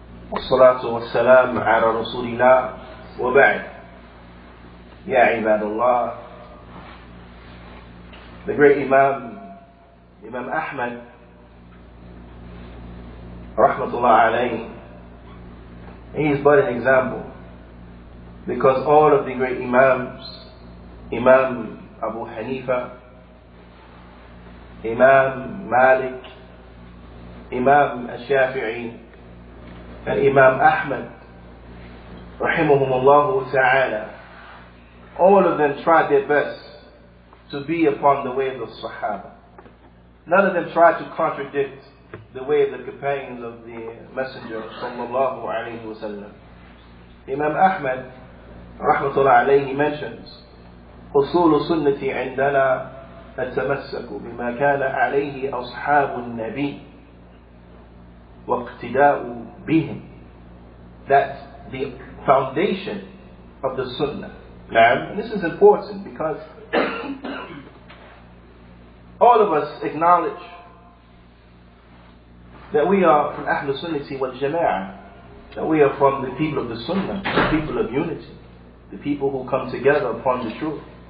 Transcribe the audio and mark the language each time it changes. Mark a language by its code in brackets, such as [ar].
[ar] والصلاة والسلام على رسول الله وبعد. يا عباد الله. [en] The great Imam, Imam Ahmad, [ar] رحمة الله عليه. [en] He is but an example, because all of the great Imams, Imam Abu Hanifa, Imam Malik, Imam Al-Shafi'i, and Imam Ahmad, [ar] رحمهم الله تعالى, [en] all of them tried their best to be upon the way of the Sahaba. None of them tried to contradict the way of the companions of the Messenger [ar] صلى الله عليه وسلم. Imam Ahmad, رحمة الله عليه, [en] mentions, [ar] أصول سنتي عندنا التمسك بما كان عليه أصحاب النبي واقتداء بهم. [en] That's the foundation of the Sunnah. Now, this is important because all of us acknowledge that we are from [ar] أهل السنة والجماعة, [en] that we are from the people of the Sunnah, the people of unity, the people who come together upon the truth.